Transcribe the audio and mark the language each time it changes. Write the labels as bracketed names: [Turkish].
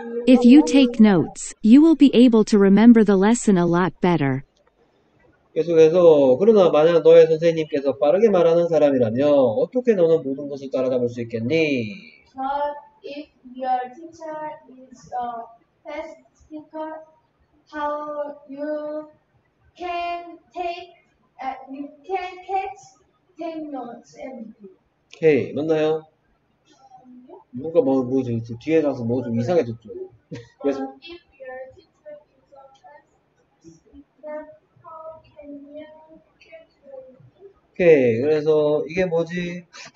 [English] If you take notes, you will be able to remember the lesson a lot better. [Korean] 계속해서 그러나 만약 너의 선생님께서 빠르게 말하는 사람이라면 어떻게 너는 모든 것을 따라잡을 수 있겠니? [English] If your teacher is a fast speaker, how you can catch 10 notes and [Korean] 오케이, 맞나요? 뭔가 뭐지? 뒤에 가서 뭐좀 이상해졌죠? 그래서 [English] If your teacher is a fast speaker, how can you catch [Korean] 오케이, 그래서 이게 뭐지?